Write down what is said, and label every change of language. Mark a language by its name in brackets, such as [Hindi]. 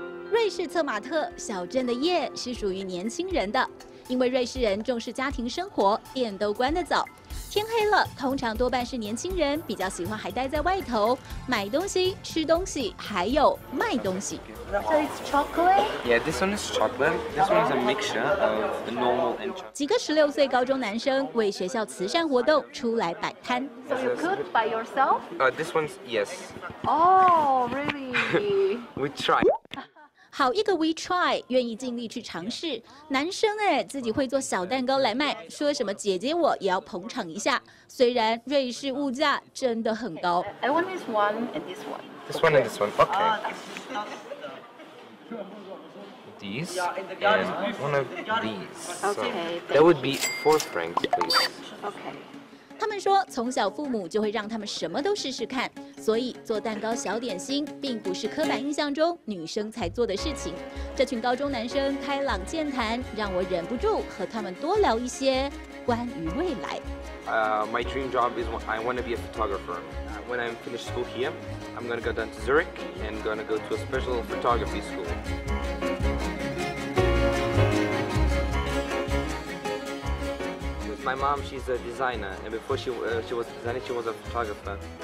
[Chinese] 瑞士策马特小镇的夜是属于年轻人的，因为瑞士人重视家庭生活，店都关得早，天黑了通常多半是年轻人比较喜欢还待在外头买东西、吃东西还有卖东西。 [English] So it's chocolate? Yeah, this one is chocolate. This one is a mixture of the normal and chocolate. [Chinese] 几个16岁高中男生为学校慈善活动出来摆摊。 [English] So you cook by yourself? This one's yes. Oh, really? We try. [Chinese] 好一个 [English] we try， [Chinese] 愿意尽力去尝试。男生哎，自己会做小蛋糕来卖，说什么姐姐我也要捧场一下。虽然瑞士物价真的很高。 [English] I want this one and this one. This one and this one. Okay. These and one of these. Okay. That would be 4 francs, please. Okay. [Chinese] 他们说，从小父母就会让他们什么都试试看，所以做蛋糕、小点心并不是刻板印象中女生才做的事情。这群高中男生开朗健谈，让我忍不住和他们多聊一些关于未来。 [English] My dream job is I want to be a photographer. When I'm finished school here, I'm going to go down to Zurich and going to go to a special photography school. My mom, she's a designer, and before she was a designer, she was a photographer.